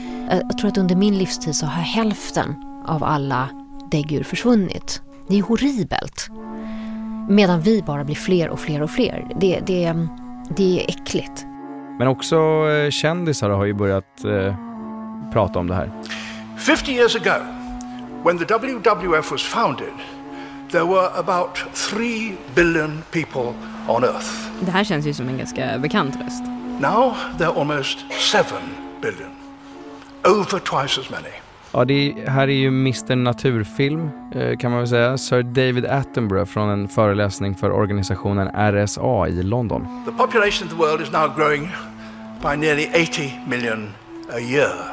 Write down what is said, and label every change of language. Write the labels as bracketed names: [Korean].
[Swedish] Jag tror att under min livstid så har hälften av alla däggdjur försvunnit. Det är horribelt. Medan vi bara blir fler och fler och fler. Det är äckligt. Men också kändisar har ju börjat prata om det här. [English] 50 years ago, when the WWF was founded, there were about 3 billion people on earth. [Swedish] Det här känns ju som en ganska bekant röst. [English] Now there are almost 7 billion. Over twice as many. [Swedish] Ja, det här är ju Mr. Naturfilm, kan man väl säga. Sir David Attenborough från en föreläsning för organisationen RSA i London. [English] The population of the world is now growing by nearly 80 million a year.